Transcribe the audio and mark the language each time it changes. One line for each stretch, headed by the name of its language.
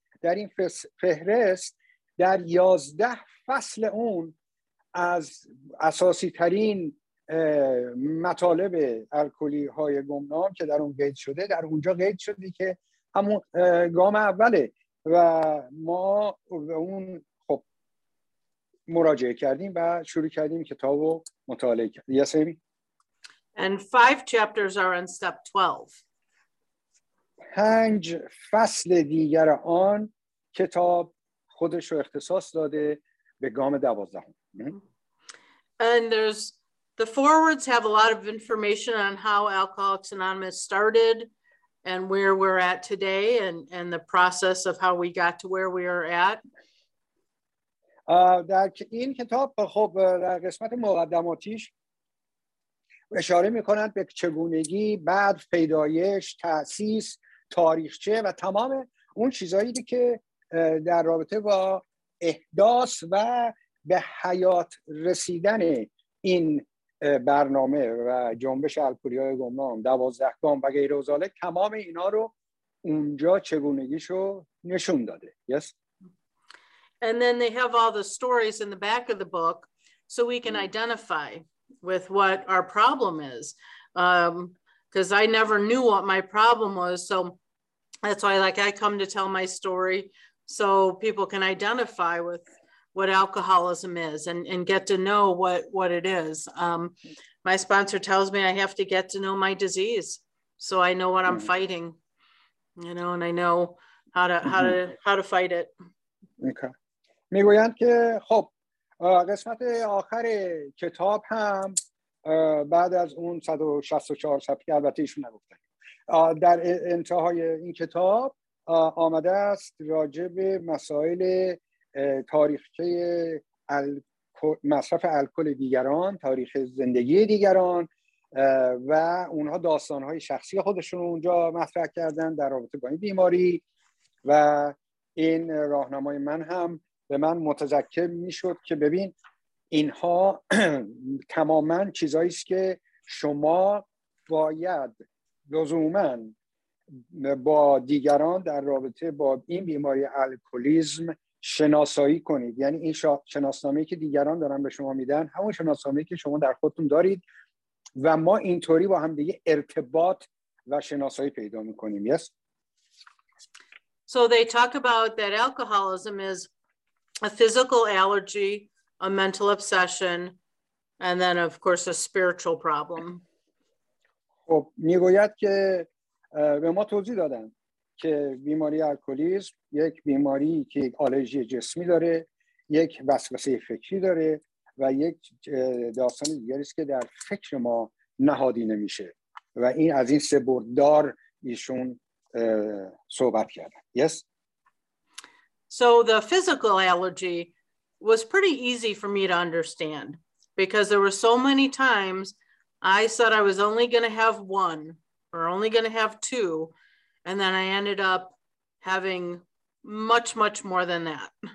Persian: در این فهرست در 11 فصل اون از اساسی ترین مطالب الکلی های گمنام که در اون قید شده، در اونجا قید شده که همون گام اوله و ما اون مراجعه کردیم و شروع کردیم کتابو مطالعه کردیم.
English: Yes, Amy? And 5 chapters are on step 12.
Persian: 5 فصل دیگر آن کتاب خودش رو اختصاص داده به گام 12.
English: And there's the forewords have a lot of information on how Alcoholics Anonymous started and where we're at today and the process of how we got to where we are at.
Persian: در این کتاب خب در قسمت مقدماتیش اشاره میکنند به چگونگی، بعد پیدایش، تأسیس، تاریخچه و تمام اون چیزایی که در رابطه با احداث و به حیات رسیدن این برنامه و جنبش الکلی‌های گمنام، 12 گام و غیر و ذالک، تمام اینا رو اونجا چگونگیشو نشون داده.
English: Yes. And then they have all the stories in the back of the book so we can identify with what our problem is. Because I never knew what my problem was. So that's why like I come to tell my story so people can identify with what alcoholism is and get to know what it is. My sponsor tells me I have to get to know my disease so I know what I'm fighting, you know, and I know how to fight it. Okay.
Persian: میگویند که خب قسمت آخر کتاب هم بعد از اون 164 صفحه، البته ایشون نگفتن، در انتهای این کتاب آمده است راجع به مسائل تاریخچه مصرف الکل دیگران، تاریخ زندگی دیگران و اونها داستانهای شخصی خودشون اونجا مطرح کردن در رابطه با این بیماری و این راهنمای من هم به من متذکر میشد که ببین اینها تماما چیزایی است که شما باید لزوما با دیگران در رابطه با این بیماری الکلیسم شناسایی کنید. یعنی این شناسنامه‌ای که دیگران دارن به شما میدن همون شناسنامه‌ای که شما در خودتون دارید و ما اینطوری با هم دیگه ارتباط و شناسایی پیدا میکنیم.
English: Yes. So they talk about that alcoholism is a physical allergy, a mental obsession, and then, of course, a spiritual problem.
Persian: خب میگوید که به ما توضیح دادن که بیماری الکلیسم یک بیماری که یک آلرژی جسمی داره، یک وسوسه فکری داره و یک داستان دیگری است که در فکر ما نهادی نمیشه و این از این سه بردار ایشون صحبت کردن.
English: Yes. So the physical allergy was pretty easy for me to understand because there were so many times I said I was only going to have one or only going to have two, and then I ended up having much, much more than that.